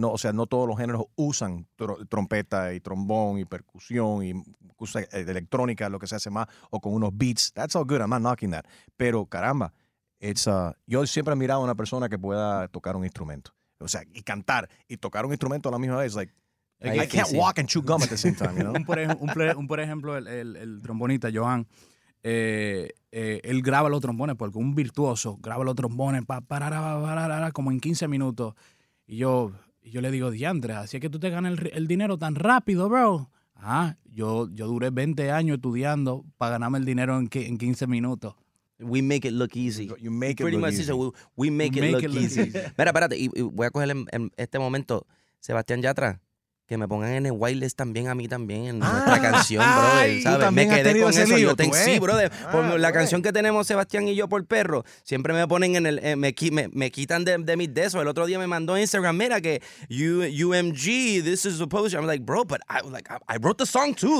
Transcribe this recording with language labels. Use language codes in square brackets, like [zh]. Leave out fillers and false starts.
[es] No, o sea, no todos los géneros usan trompeta y trombón y percusión y usa electrónica, lo que se hace más, o con unos beats. [en] That's all good, I'm not knocking that. [es] Pero, caramba, yo siempre he mirado a una persona que pueda tocar un instrumento. O sea, y cantar y tocar un instrumento a la misma vez. [en] Like, I can't walk and chew gum at the same time. You know? [es] un por ejemplo, el trombonista, Joan, él graba los trombones, porque un virtuoso graba los trombones como en 15 minutos. Y yo le digo, diantre, así es que tú te ganas el dinero tan rápido, bro. Ah, yo duré 20 años estudiando para ganarme el dinero en 15 minutos. [en] We make it look easy. You make it pretty look much easy. We make it look easy. [es] Mira, espérate, y voy a coger en este momento, Sebastián Yatra, que me pongan en el wireless también a mí también, en nuestra canción, bro. ¿Sabes? Me quedé con eso. Lío, yo tengo, sí, bro. La canción que tenemos Sebastián y yo por perro, siempre me ponen en el... me quitan de mis desos. El otro día me mandó Instagram, mira que UMG, [en] this is the post. I'm like, bro, but I wrote the song too.